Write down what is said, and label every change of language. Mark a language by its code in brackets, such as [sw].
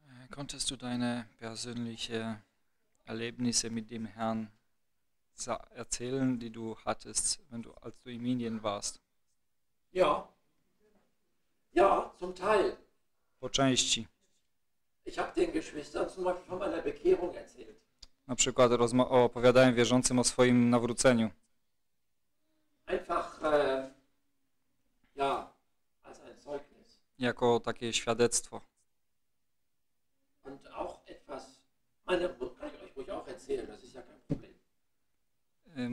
[de] Konntest du deine persönlichen Erlebnisse mit dem Herrn erzählen, die du hattest, wenn du, als du in Indien warst? Ja. Ja, zum Teil. [pl] Po części. [de] Ich habe den Geschwistern zum Beispiel von meiner Bekehrung erzählt. [pl] Na przykład opowiadałem wierzącym o swoim nawróceniu. [de] Einfach, ja, als ein Zeugnis. [pl] Jako takie świadectwo. [de] Und auch etwas, meine, kann ich euch ruhig auch erzählen, das ist ja kein Problem.